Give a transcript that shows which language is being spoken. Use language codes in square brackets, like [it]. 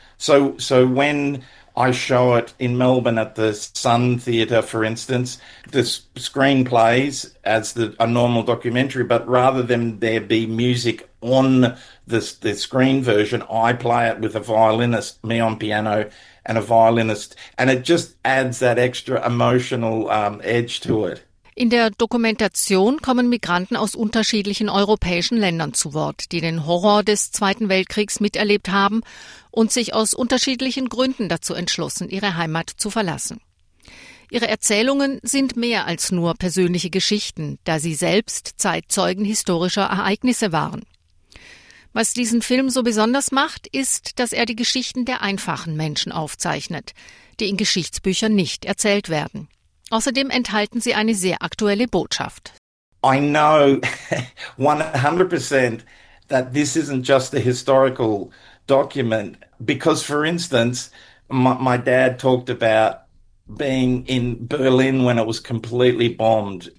[en] So when I show it in Melbourne at the Sun Theatre, for instance, the screen plays as a normal documentary, but rather than there be music on the screen version, I play it with a violinist, me on piano, and a violinist, and it just adds that extra emotional edge to it. [de] In der Dokumentation kommen Migranten aus unterschiedlichen europäischen Ländern zu Wort, die den Horror des Zweiten Weltkriegs miterlebt haben und sich aus unterschiedlichen Gründen dazu entschlossen, ihre Heimat zu verlassen. Ihre Erzählungen sind mehr als nur persönliche Geschichten, da sie selbst Zeitzeugen historischer Ereignisse waren. Was diesen Film so besonders macht, ist, dass er die Geschichten der einfachen Menschen aufzeichnet, die in Geschichtsbüchern nicht erzählt werden. Außerdem enthalten sie eine sehr aktuelle Botschaft. [en] I know 100% that this isn't just a historical document because, for instance, my dad talked about being in Berlin when it was completely bombed.